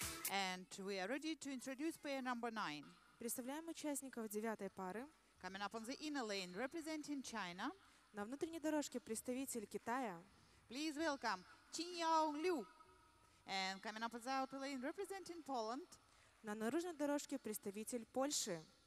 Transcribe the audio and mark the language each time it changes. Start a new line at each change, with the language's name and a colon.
English: And we are ready to introduce pair number 9.
Russian: Представляем участников 9-й пары.
English: Coming up on the inner lane, representing China.
Russian: На внутренней дорожке представитель Китая.
English: Please welcome Qingyao Liu. And coming up on the outer lane, representing Poland.
Russian: На наружной дорожке представитель Польши.